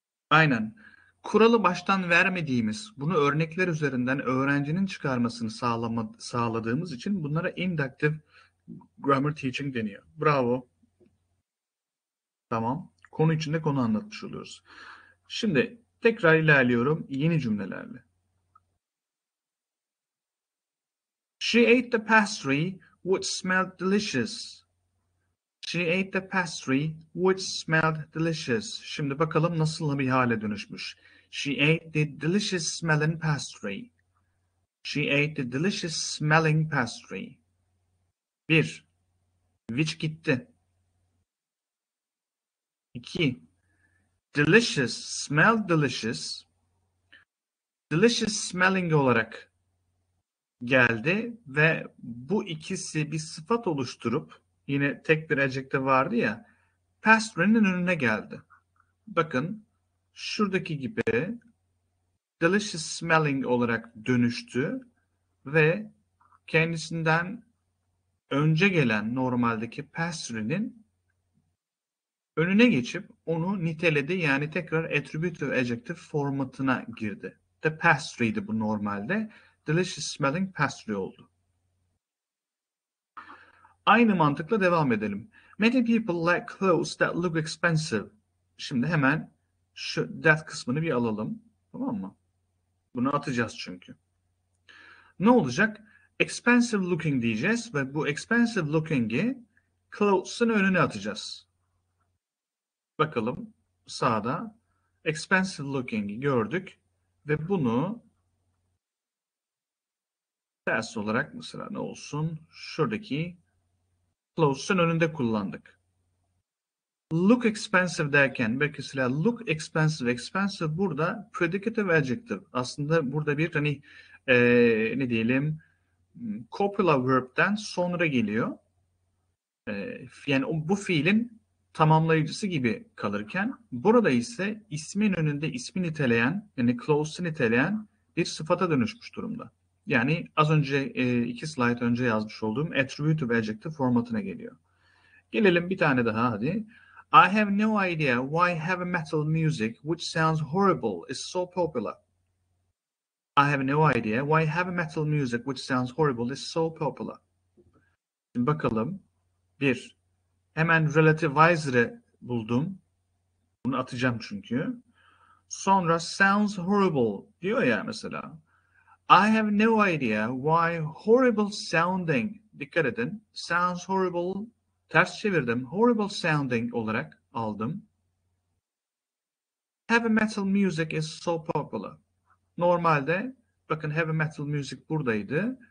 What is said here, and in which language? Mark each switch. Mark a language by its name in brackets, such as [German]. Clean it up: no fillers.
[Turkish] Aynen. Kuralı baştan vermediğimiz, bunu örnekler üzerinden öğrencinin çıkarmasını sağladığımız için bunlara inductive grammar teaching deniyor. Bravo. Tamam. Konu içinde konu anlatmış oluyoruz. Şimdi tekrar ilerliyorum yeni cümlelerle. [English] She ate the pastry which smelled delicious. She ate the pastry which smelled delicious. [Turkish] Şimdi bakalım nasıl bir hale dönüşmüş. [English] She ate the delicious smelling pastry. She ate the delicious smelling pastry. [Turkish] Bir. Which gitti. İki. [English] Delicious. Smell delicious. Delicious smelling [Turkish] olarak geldi ve bu ikisi bir sıfat oluşturup yine tek bir ejekte vardı ya pastry'nin önüne geldi. Bakın şuradaki gibi [English] delicious smelling [Turkish] olarak dönüştü ve kendisinden önce gelen normaldeki pastry'nin önüne geçip onu niteledi, yani tekrar attributive adjective formatına girdi. [English] The pastry'di [Turkish] bu normalde. [English] Delicious smelling pastry [Turkish] oldu. Aynı mantıkla devam edelim. [English] Many people like clothes that look expensive. [Turkish] Şimdi hemen şu that kısmını bir alalım. Tamam mı? Bunu atacağız çünkü. Ne olacak? [English] Expensive looking [Turkish] diyeceğiz ve bu expensive looking'i clothes'ın önüne atacağız. Bakalım sağda [English] expensive looking'i [Turkish] gördük ve bunu ters olarak mesela ne olsun? Şuradaki clothes'un önünde kullandık. [English] Look expensive [Turkish] derken belki mesela [English] look expensive, expensive [Turkish] burada [English] predicative adjective. [Turkish] Aslında burada bir hani ne diyelim copula verb'den sonra geliyor. Yani bu fiilin tamamlayıcısı gibi kalırken burada ise ismin önünde ismi niteleyen yani clause'ı niteleyen bir sıfata dönüşmüş durumda. Yani az önce iki slide önce yazmış olduğum attributive adjective formatına geliyor. Gelelim bir tane daha hadi. [English] I have no idea why heavy metal music which sounds horrible is so popular. I have no idea why heavy metal music which sounds horrible is so popular. [Turkish] Şimdi bakalım. Bir. Hemen relativizer'ı buldum. Bunu atacağım çünkü. Sonra [English] sounds horrible [Turkish] diyor ya mesela. [English] I have no idea why horrible sounding. [Turkish] Dikkat edin. [English] Sounds horrible. [Turkish] Ters çevirdim. [English] Horrible sounding [Turkish] olarak aldım. [English] Heavy metal music is so popular. [Turkish] Normalde bakın [English] heavy metal music [Turkish] buradaydı.